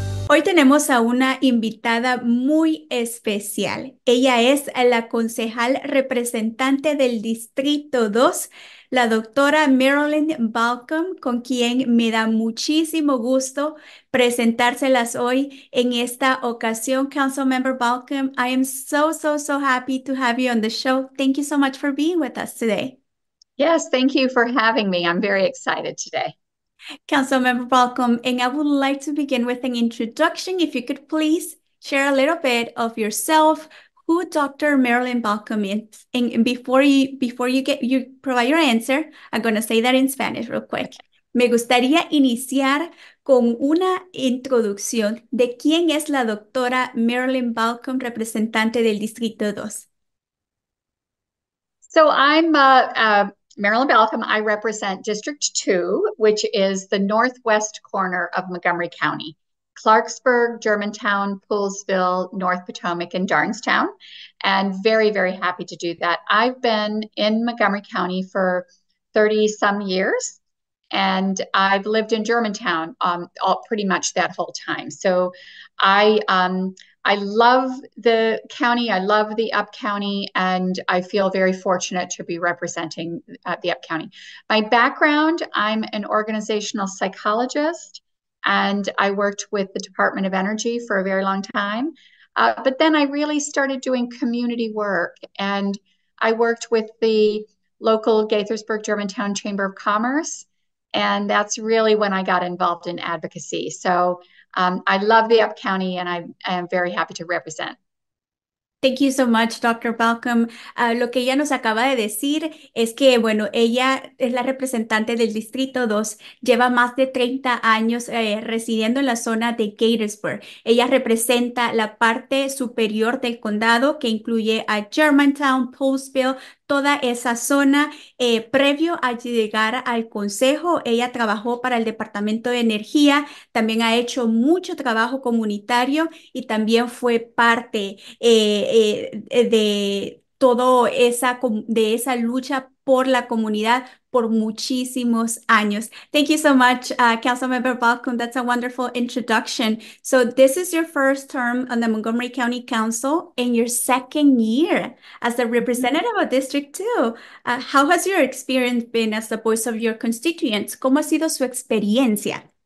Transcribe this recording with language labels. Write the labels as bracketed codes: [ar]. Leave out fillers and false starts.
[es] Hoy tenemos a una invitada muy especial. Ella es la concejal representante del Distrito 2, la doctora Marilyn Balcombe, con quien me da muchísimo gusto presentárselas hoy en esta ocasión. [en] Councilmember Balcombe, I am so happy to have you on the show. Thank you so much for being with us today. Yes, thank you for having me. I'm very excited today. Councilmember Balcombe, and I would like to begin with an introduction. If you could please share a little bit of yourself, who Dr. Marilyn Balcombe is, and before you provide your answer, I'm going to say that in Spanish real quick. [es] Me gustaría iniciar con una introducción de quién es la doctora Marilyn Balcombe, representante del Distrito 2. [en] So I'm Marilyn Balcombe. I represent District 2, which is the northwest corner of Montgomery County, Clarksburg, Germantown, Poolesville, North Potomac, and Darnestown. And very, very happy to do that. I've been in Montgomery County for 30 some years, and I've lived in Germantown all pretty much that whole time. So I love the county. I love the up county, and I feel very fortunate to be representing the up county. My background, I'm an organizational psychologist, and I worked with the Department of Energy for a very long time. But then I really started doing community work, and I worked with the local Gaithersburg Germantown Chamber of Commerce, and that's really when I got involved in advocacy. So I love the Up County, and I am very happy to represent. Thank you so much, Dr. Balcombe. [es] Lo que ella nos acaba de decir es que, bueno, ella es la representante del Distrito 2, lleva más de 30 años residiendo en la zona de Gaithersburg. Ella representa la parte superior del condado, que incluye a Germantown, Poolesville, toda esa zona. Previo a llegar al consejo, ella trabajó para el Departamento de Energía, también ha hecho mucho trabajo comunitario y también fue parte de toda esa lucha por la comunidad por muchísimos años. [en] Thank you so much, Councilmember Balcombe. That's a wonderful introduction. So this is your first term on the Montgomery County Council and your second year as the representative of District 2. How has your experience been as the voice of your constituents? [es] ¿Cómo ha sido su experiencia?